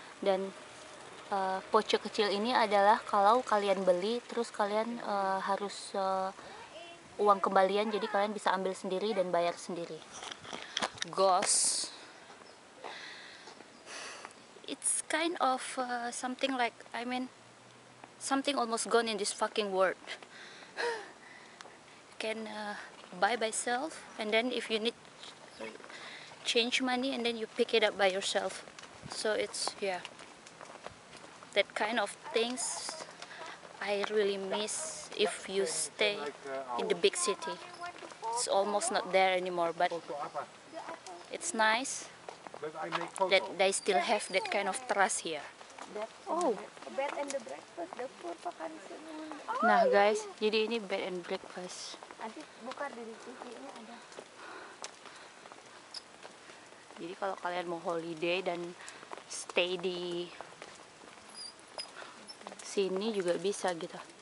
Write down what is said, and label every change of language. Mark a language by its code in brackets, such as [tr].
[id] Dan poce kecil ini adalah kalau kalian beli, terus kalian harus uang kembalian, jadi kalian bisa ambil sendiri dan bayar sendiri. [en] Ghost. It's kind of something like, I mean, something almost gone in this fucking world. You can buy by yourself, and then if you need change money, and then you pick it up by yourself. So it's, yeah, that kind of things I really miss if you stay in the big city. It's almost not there anymore, but it's nice that they still have that kind of trust here. Oh, bed and the breakfast, the food pakan [id] sini. Nah guys, jadi ini bed and breakfast. Nanti buka dari TV-nya ada. Jadi kalau kalian mau holiday dan stay di sini juga bisa gitu.